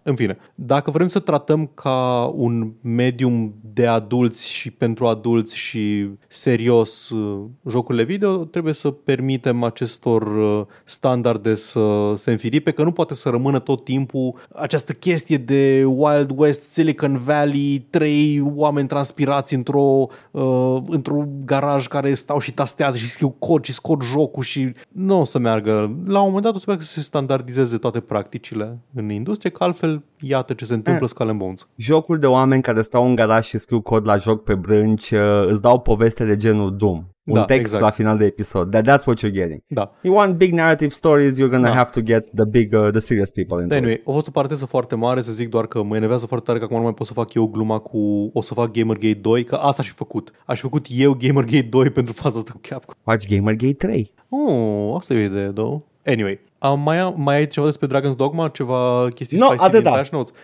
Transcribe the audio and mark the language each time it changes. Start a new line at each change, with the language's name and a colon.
Romanian: în fine, dacă vrem să tratăm ca un medium de adulți și pentru adulți și serios jocurile video, trebuie să permitem acestor standarde să se înfiripe, că nu poate să rămână tot timpul această chestie de Wild West, Silicon Valley, trei oameni transpirați într-o, într-un garaj care stau și tastează și scriu cod și scot jocul și nu o să meargă. La un moment dat o să meargă să se standardizeze toate practicile în industrie, că altfel iată ce se întâmplă Skull & Bones. Jocul de oameni care stau în garaj și scriu cod la joc pe brânci îți dau poveste de genul Doom. Un text exact. La final de episod.
English: That's what you're getting.
Romanian: Da.
English: You want big narrative stories, you're gonna have to get the big, the serious people into
Romanian: it. A fost o parteză foarte mare, să zic doar că mă enervează foarte tare că acum nu mai pot să fac eu gluma cu o să fac Gamergate 2, că asta aș fi făcut. Aș fi făcut eu Gamergate 2 pentru faza asta cu Capcom.
English: Watch Gamergate 3.
Romanian: Asta e o idee, though. Anyway, mai ai ceva despre Dragon's Dogma? Ceva chestii spicy din Flash Notes?